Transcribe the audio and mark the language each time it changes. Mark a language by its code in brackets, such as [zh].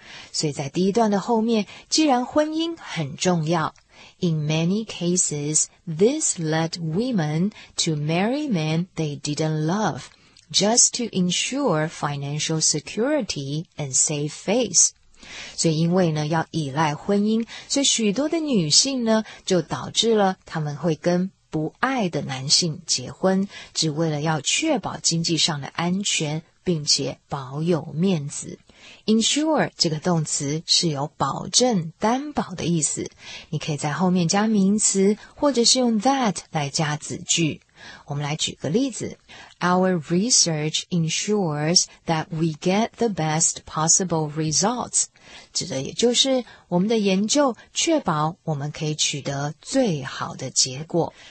[zh] 所以在第一段的后面，既然婚姻很重要， [en] In many cases, this led women to marry men they didn't love, just to ensure financial security and save face. [zh] 所以因为呢要依赖婚姻，所以许多的女性呢就导致了他们会跟不爱的男性结婚，只为了要确保经济上的安全，并且保有面子。 Ensure 这个动词是有保证、担保的意思。你可以在后面加名词，或者是用 that 来加子句。我们来举个例子。 [en] Our research ensures that we get the best possible results. [zh] 指的也就是我们的研究确保我们可以取得最好的结果。